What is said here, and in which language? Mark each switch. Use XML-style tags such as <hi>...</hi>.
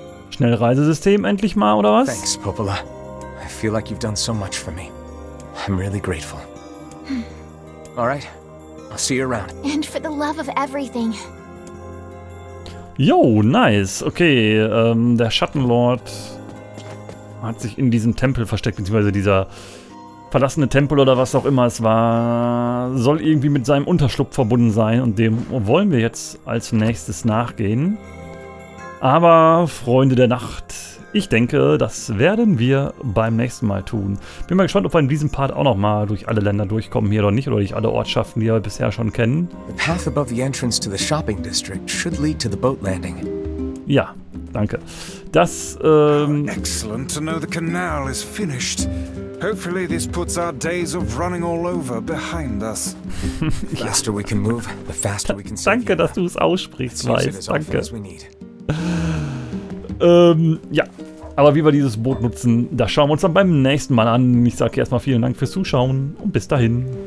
<de>Schnellreisesystem endlich mal, oder was?</de> <en>Thanks, Popola. I feel like you've done so much for me. I'm really grateful. All right. I'll see you around. And for the love of everything. Yo, nice.</en> <de>Okay, der Schattenlord hat sich in diesem Tempel versteckt, beziehungsweise dieser verlassene Tempel oder was auch immer es war, soll irgendwie mit seinem Unterschlupf verbunden sein und dem wollen wir jetzt als nächstes nachgehen. Aber, Freunde der Nacht, ich denke, das werden wir beim nächsten Mal tun. Bin mal gespannt, ob wir in diesem Part auch nochmal durch alle Länder durchkommen hier oder nicht, oder durch alle Ortschaften, die wir bisher schon kennen.</de> <en>The path above the entrance to the shopping district should lead to the boat landing.</en> <de>Ja, danke. Das,</de> <en>Excellent to know the canal is finished. Hopefully this puts our days of running all over behind us. The faster we can move, the faster we can save.</en> <de>Danke, dass du es aussprichst, Weiß. Danke. ja, aber wie wir dieses Boot nutzen, das schauen wir uns dann beim nächsten Mal an. Ich sage erstmal vielen Dank fürs Zuschauen und bis dahin.</de>